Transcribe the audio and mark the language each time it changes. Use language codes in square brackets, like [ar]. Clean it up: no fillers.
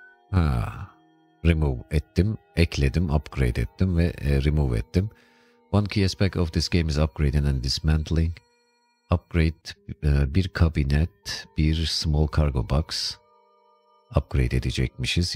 [tr] Ha, remove ettim, ekledim, upgrade ettim ve remove ettim. [en] One key aspect of this game is upgrading and dismantling. [tr] Upgrade bir kabinet, bir [en] small cargo box [tr] upgrade edecekmişiz.